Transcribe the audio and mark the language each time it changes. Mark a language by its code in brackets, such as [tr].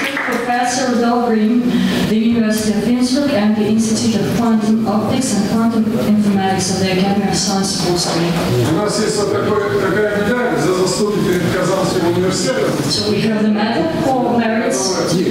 [en] Professor Dahl Green, the University of Innsbruck and the Institute of Quantum Optics and Quantum Informatics of the Academy of Science of Austria. [ru] У нас есть вот такая медаль за заслуги перед Казанским университетом. [en] So we have the medal for merits to the